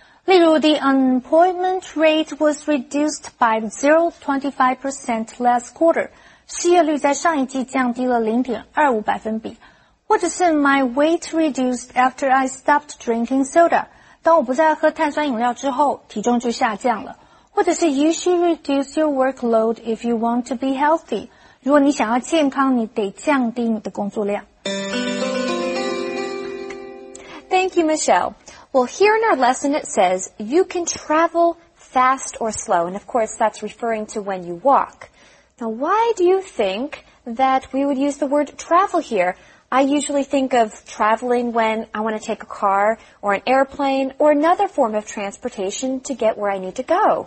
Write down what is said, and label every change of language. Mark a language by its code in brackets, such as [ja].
[zh] 例如 [en] the unemployment rate was reduced by 0.25% last quarter. [zh] 失业率在上一季降低了 0.25%。或者是 [en] my weight reduced after I stopped drinking soda. [zh] 当我不再喝碳酸饮料之后体重就下降了。或者是 [en] you should reduce your workload if you want to be healthy. [zh] 如果你想要健康你得降低你的工作量。 [en] Thank you, Michelle. Well, here in our lesson, it says you can travel fast or slow. And of course, that's referring to when you walk. Now, why do you think that we would use the word travel here? I usually think of traveling when I want to take a car or an airplane or another form of transportation to get where I need to go.